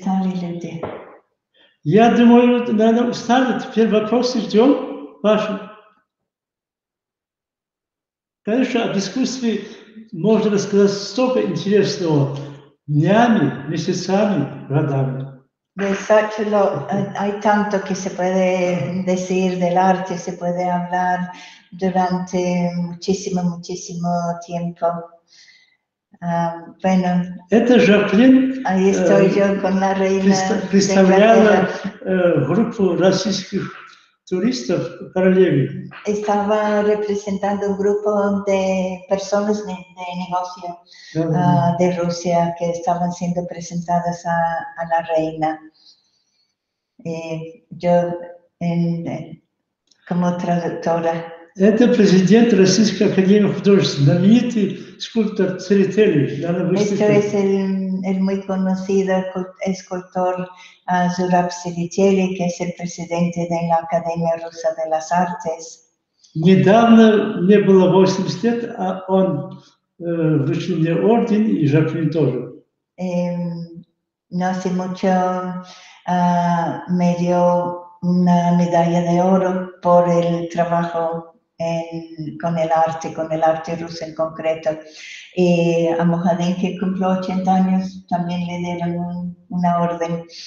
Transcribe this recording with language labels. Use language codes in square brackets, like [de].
[ru] Ну, наверное, уже устали люди. Я думаю, наверное, устали. Теперь вопросы ждем ваши. Конечно, об искусстве можно рассказать столько интересного днями, месяцами, годами. [en] There's such a lot, [es] hay tanto que se puede decir del arte, se puede hablar durante muchísimo, muchísimo tiempo. Bueno, [ru] это Жаклин, [es] ahí estoy yo con la reina [ru] представляла группу российских туристов в королеве. [es] Estaba representando un grupo de personas de negocio de Rusia que estaban siendo presentadas a la reina. Yo, como traductora. [ru] Это президент Российской академии художеств, знаменитый скульптор Церетельевич. [es] Это el muy conocido escultor Зураб Церетельевич, que es el presidente de la Academia Rusa de las Artes. [ru] Недавно мне было 80 лет, а он вручил мне орден и Жаклин тоже. [es] No hace mucho me dio una medalla de oro por el trabajo con el arte ruso en concreto. a Mohamed, que cumplió 80 años, también le dieron una orden.